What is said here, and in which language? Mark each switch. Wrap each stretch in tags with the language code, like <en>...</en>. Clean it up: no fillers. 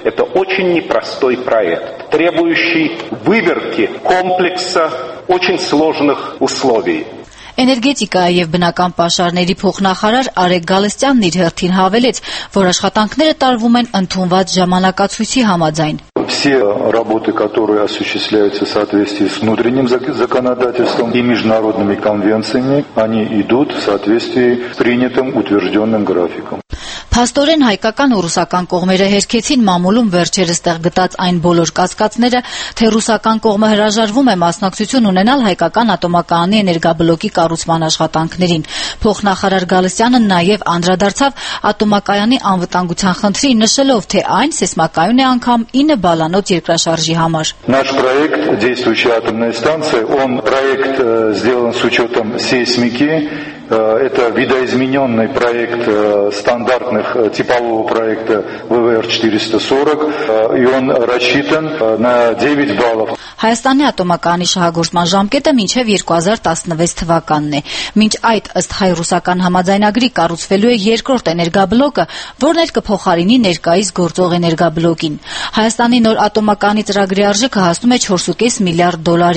<ru>Это очень непростой проект, требующий выверки комплекса очень сложных условий.</ru> <hy>Էներգետիկայի և բնական պաշարների փոխնախարար Արեգ Գալստյանն իր հերթին հավելեց, որ աշխատանքները տարվում են ընդունված ժամանակացույցի համաձայն.</hy> <ru>Все работы, которые осуществляются в соответствии с внутренним законодательством и международными конвенциями, они идут в соответствии с принятым утвержденным графиком.</ru> <hy>Փաստորեն հայկական ու ռուսական կողմերը հերքեցին մամուլում վերջերս տեղ գտած այն բոլոր կասկածները, թե ռուսական կողմը հրաժարվում է մասնակցություն ունենալ հայկական ատոմակայանի էներգաբլոկի կառուցման աշխատանքներին։ Փոխնախարար Գալստյանը նաև անդրադարձավ ատոմակայանի անվտանգության խնդրին, նշելով, թե այն սեսմակայուն է անգամ 9 բալանոց երկրաշարժի համար։</hy> <ru>Наш проект действующей атомной станции, он проект сделан с учётом сейсмики. Это видоизмененный проект стандартных типового проекта ВВР-440, и он рассчитан на 9 баллов.</ru> <hy>Հայաստանի ատոմակայանի շահագործման ժամկետը մինչև 2016 թվականն է։ Մինչ այդ, ըստ հայ-ռուսական համաձայնագրի, կառուցվելու է երկրորդ էներգաբլոկը, որն էլ կփոխարինի ներկայիս գործող էներգաբլոկին։ Հայաստանի նոր ատոմակայանի ծրագրի արժեքը հասնում է $4.5 միլիարդ.</hy>